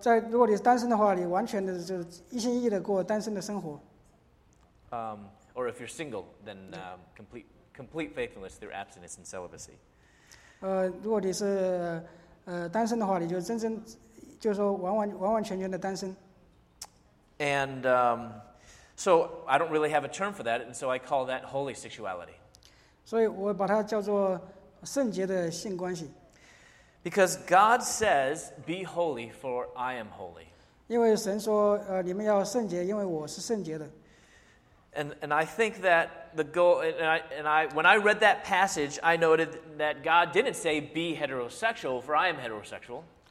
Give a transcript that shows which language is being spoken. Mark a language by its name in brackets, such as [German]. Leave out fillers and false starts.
[Chinese] 如果你是单身的话, 你完全地就一心一意地过单身的生活。 [English] Or if you're single, then complete faithfulness through abstinence and celibacy. [Chinese] 如果你是单身的话, 你就真正就是说完完全全的单身。 [English] And so I don't really have a term for that, and so I call that holy sexuality. [Chinese] 所以我把它叫做圣洁的性关系。 [English] Because God says, "Be holy, for I am holy." [Chinese] 因为神说, 你们要圣洁, 因为我是圣洁的。 [English] And I think that the goal, and I when I read that passage, I noted that God didn't say, "Be heterosexual, for I am heterosexual."